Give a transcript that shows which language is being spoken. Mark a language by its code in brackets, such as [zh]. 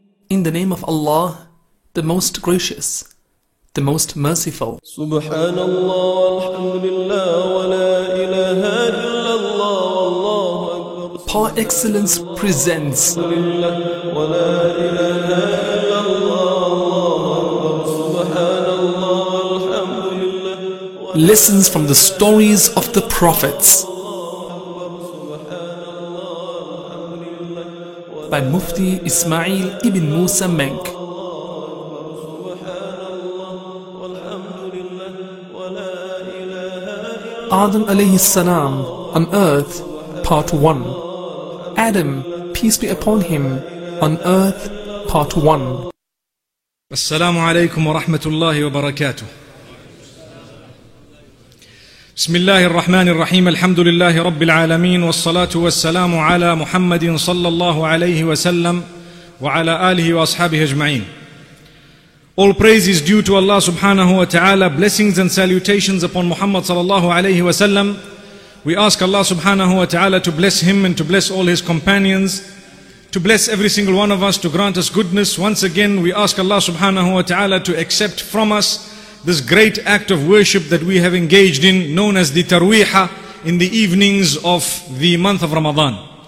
[en] In the name of Allah, the most gracious, the most merciful. [ar] سبحان الله والحمد لله ولا إله إلا الله والله أكبر. [en] Par excellence presents. Lessons from the stories of the prophets by Mufti Ismail ibn Musa Menk. Adam alayhi salam on earth, part 1. Adam, peace be upon him, on earth, part 1. [ar] Assalamu alaykum wa rahmatullahi wa barakatuh. بسم الله الرحمن الرحيم. الحمد لله رب العالمين، والصلاة والسلام على محمد صلى الله عليه وسلم وعلى آله وأصحابه أجمعين. [en] All praise is due to Allah subhanahu wa ta'ala. Blessings and salutations upon Muhammad صلى الله عليه وسلم. We ask Allah subhanahu wa ta'ala to bless him and to bless all his companions, to bless every single one of us, to grant us goodness. Once again, we ask Allah subhanahu wa ta'ala to accept from us this great act of worship that we have engaged in, known as the Tarweeha, in the evenings of the month of Ramadan.